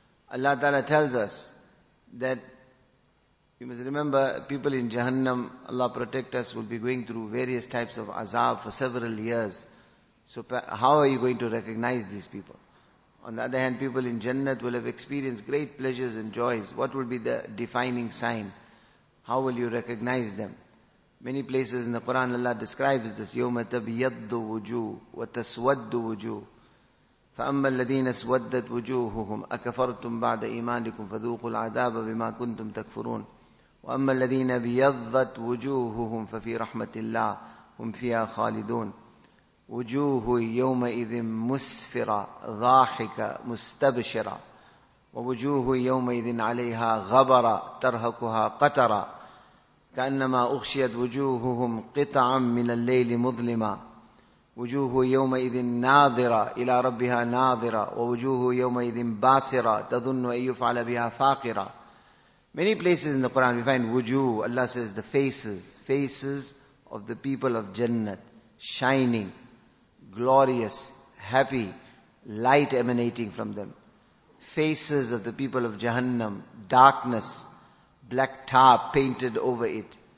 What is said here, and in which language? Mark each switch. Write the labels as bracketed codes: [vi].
[en] Allah Ta'ala tells us that, you must remember, people in Jahannam, Allah protect us, will be going through various types of azab for several years. So how are you going to recognize these people? On the other hand, people in Jannat will have experienced great pleasures and joys. What will be the defining sign? How will you recognize them? Many places in the Quran, Allah describes this. [ar] يَوْمَ تَبْيَضُّ وُجُوهُ وَتَسْوَدُّ وُجُوهُ فَأَمَّا الَّذِينَ اسْوَدَّتْ وُجُوهُهُمْ أَكَفَرْتُمْ بَعْدَ إِيمَانِكُمْ فَذُوقُوا الْعَذَابَ بِمَا كُنْتُمْ تَكْفُرُونَ وَأَمَّا الَّذِينَ بِيَضَّتْ وُجُوهُهُمْ فَفِي رَحْمَةِ اللَّهِ هُمْ فِيهَا خَالِدُونَ وجوه يومئذ مسفرة ضاحكة مستبشرة ووجوه يومئذ عليها غبرة ترهقها قترة كأنما أغشيت وجوههم قطعا من الليل مظلمة وجوه يومئذ ناظرة إلى ربها ناظرة ووجوه يومئذ باسرة تظن أن يفعل بها فاقرة. [en] Many places in the Quran we find وجوه. Allah says the faces of the people of Jannat, shining, glorious, happy, light emanating from them. Faces of the people of Jahannam, darkness, black tar painted over it.